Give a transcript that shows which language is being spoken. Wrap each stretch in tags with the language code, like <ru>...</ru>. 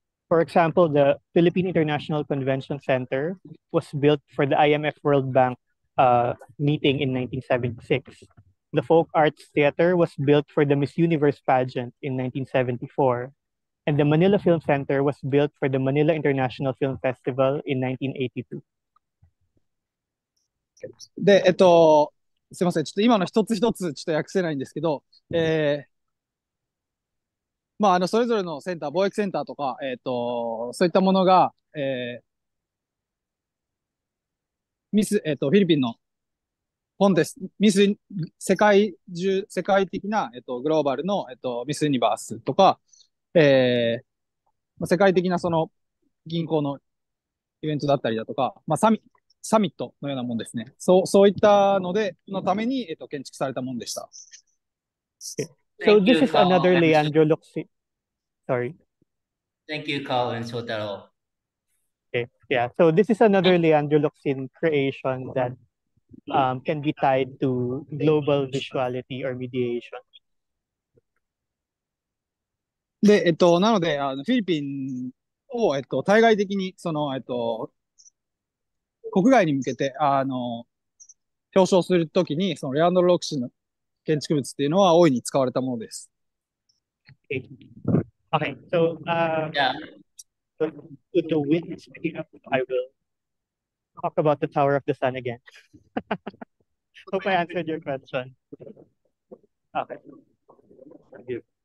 <en>For example, the Philippine International Convention Center was built for the IMF World Bank meeting in 1976. The Folk Arts Theater was built for the Miss Universe pageant in 1974. And the Manila Film Center was built for the Manila International Film Festival in 1982.</en> <ja>で、すいません。ちょっと今の一つ一つちょっと訳せないんですけど、まあ、それぞれのセンター、貿易センターとか、そういったものが、ミス、フィリピンのコンテスト、ミス、世界中、世界的な、グローバルの、ミスユニバースとか、世界的なその銀行のイベントだったりだとか、まあ、サミットのようなもんですね。そういったので、のために、建築されたもんでした。</ja> <en>So this is another Leandro Luxin. Sorry. Thank you, Carl and Sotaro. Okay. Yeah. So this is another Leandro Luxin creation that can be tied to global visuality or mediation.</en> <ja>で、なので、フィリピンを、対外的に、国外に向けて、表彰するときに、そのレアンドロ・ロクシンの建築物っていうのは大いに使われたものです。</ja> <en>Okay. Okay. So, yeah. With the wind speaking up, I will talk about the Tower of the Sun again. Hope I answered your question. Okay. Thank you.</en>